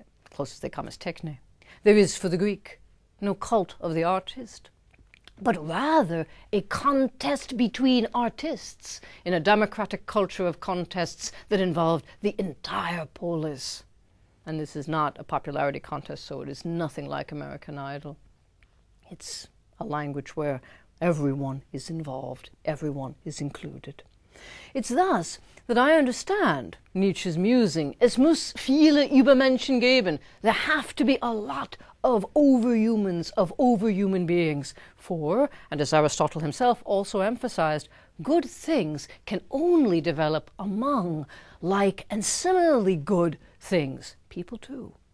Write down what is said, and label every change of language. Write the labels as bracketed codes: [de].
[en] Closest they come is techne. There is for the Greek no cult of the artist, but rather a contest between artists in a democratic culture of contests that involved the entire polis. And this is not a popularity contest, so it is nothing like American Idol. It's a language where everyone is involved, everyone is included. It's thus that I understand Nietzsche's musing. [de] Es muss viele Übermenschen geben. [en] There have to be a lot of overhumans, of overhuman beings. For, and as Aristotle himself also emphasized, good things can only develop among like and similarly good things, people too.